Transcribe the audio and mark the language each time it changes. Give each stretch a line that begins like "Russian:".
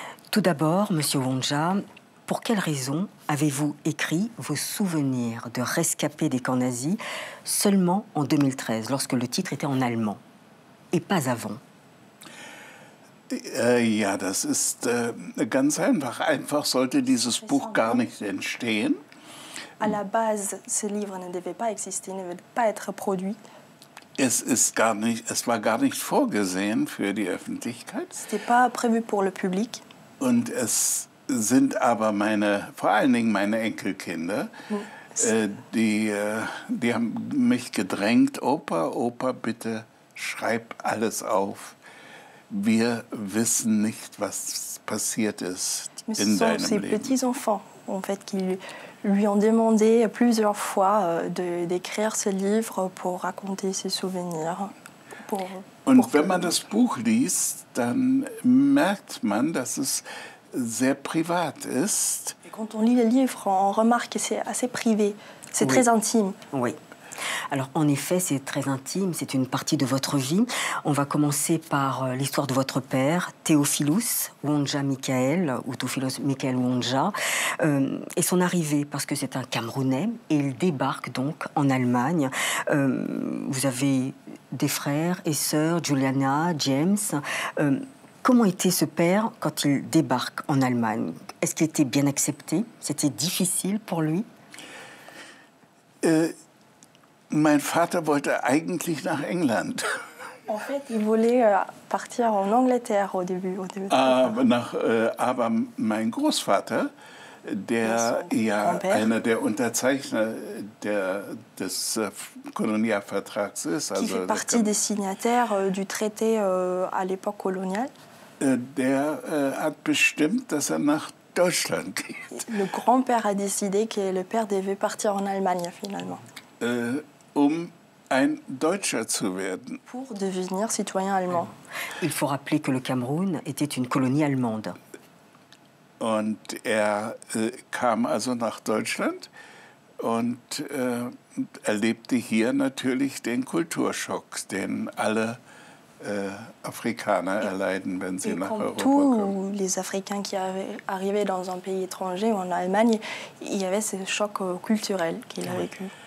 French: Tout d'abord, Monsieur Wanja, pour quelles raisons avez-vous écrit vos souvenirs de rescapés des camps nazis seulement en 2013, lorsque le titre était en allemand, et pas avant ?
German: Ja, das ist ganz einfach. Einfach sollte dieses Buch gar nicht entstehen.
French: À la base, ce livre ne devait pas exister, ne devait pas être produit.
German: Es war gar nicht vorgesehen für die Öffentlichkeit.
French: C'était pas prévu pour le public.
German: Und es sind aber vor allen Dingen meine Enkelkinder, die haben mich gedrängt, Opa, bitte schreib alles auf. Wir wissen nicht, was passiert ist in deinem Leben.
French: Ce sont ses petits-enfants, en fait, qui lui ont demandé plusieurs fois d'écrire ce livre pour raconter ses souvenirs.
German: Und wenn man das Buch liest, dann merkt man, dass es sehr privat ist.
French: Et quand on lit le livre, on remarque que c'est assez privé, c'est très intime. Oui. Alors, en effet, c'est très intime, c'est une partie de votre vie. On va commencer par l'histoire de votre père, Théophilus Wanja Michael, ou Théophilus Michael Wanja, et son arrivée, parce que c'est un Camerounais, et il débarque donc en Allemagne. Vous avez des frères et sœurs, Juliana, James. Comment était ce père quand il débarque en Allemagne? Est-ce qu'il était bien accepté? C'était difficile pour lui?
German: Mein Vater wollte eigentlich nach England.
French: En fait, il voulait partir en Angleterre au début.
German: Aber mein Großvater, der ja einer der Unterzeichner des Kolonialvertrags ist,
French: qui fait partie des signataires du traité à l'époque coloniale,
German: der hat bestimmt, dass er nach Deutschland geht.
French: Le grand-père a décidé que le père devait partir en Allemagne finalement.
German: Um ein Deutscher zu werden.
French: Pour devenir citoyen allemand. Il faut rappeler que le Cameroun était une colonie allemande.
German: Und er kam also nach Deutschland und erlebte hier natürlich den Kulturschock, den alle Afrikaner erleiden, wenn sie nach Europa kommen.
French: Comme tous les Africains qui arrivaient dans un pays étranger ou en Allemagne, il y avait ce choc culturel qu'il a vécu.